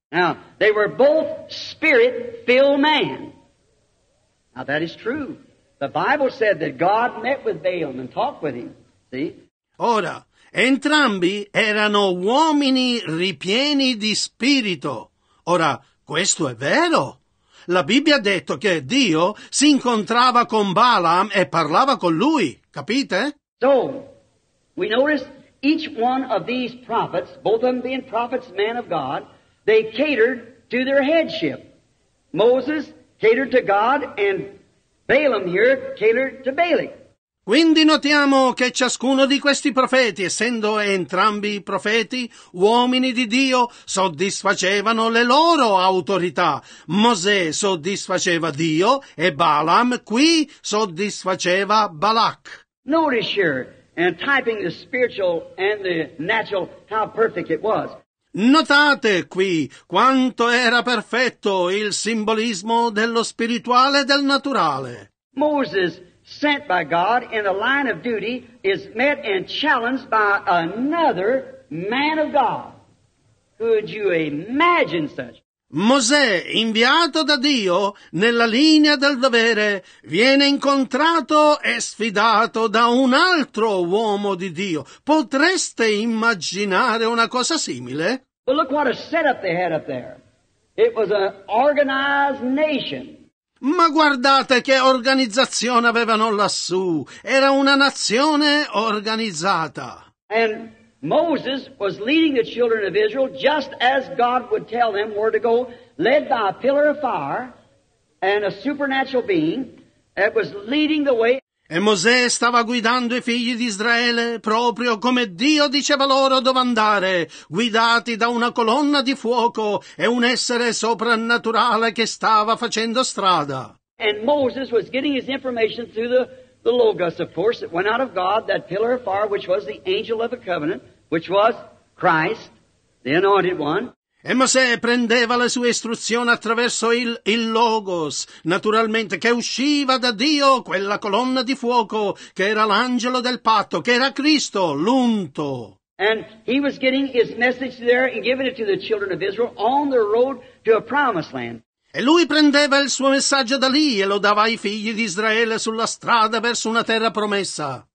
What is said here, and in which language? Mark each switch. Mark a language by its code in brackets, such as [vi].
[en] Now, they were both spirit-filled men. Now, that is true. The Bible said that God met with Balaam and talked with him. See? [it] Ora, entrambi erano uomini ripieni di spirito. Ora, questo è vero. La Bibbia ha detto che Dio si incontrava con Balaam e parlava con lui, capite? [en] So, we notice each one of these prophets, both of them being prophets, men of God, they catered to their headship. Moses catered to God and Balaam here catered to Balak. [it] Quindi notiamo che ciascuno di questi profeti, essendo entrambi profeti, uomini di Dio, soddisfacevano le loro autorità. Mosè soddisfaceva Dio e Balaam qui soddisfaceva Balak. [en] Notice here, and typing the spiritual and the natural, how perfect it was. [it] Notate qui quanto era perfetto il simbolismo dello spirituale e del naturale. [en] Moses, sent by God in the line of duty, is met and challenged by another man of God. Could you imagine such? [it] Mosè, inviato da Dio nella linea del dovere, viene incontrato e sfidato da un altro uomo di Dio. Potreste immaginare una cosa simile? [en] But look what a setup they had up there. It was an organized nation. [it] Ma guardate che organizzazione avevano lassù. Era una nazione organizzata. [en] And Moses was leading the children of Israel just as God would tell them where to go, led by a pillar of fire and a supernatural being that was leading the way. [it] E Mosè stava guidando i figli di Israele proprio come Dio diceva loro dove andare, guidati da una colonna di fuoco e un essere soprannaturale che stava facendo strada. [en] And Moses was getting his information through the the little gust of force that went out of God, that pillar of fire, which was the angel of the covenant, which was Christ, the anointed one. [it] E Mosè prendeva le sue istruzioni attraverso il Logos, naturalmente, che usciva da Dio, quella colonna di fuoco, che era l'angelo del patto, che era Cristo, l'unto. [en] And he was getting his message there and giving it to the children of Israel on their road to a promised land. [it] E lui prendeva il suo messaggio da lì e lo dava ai figli di Israele sulla strada verso una terra promessa.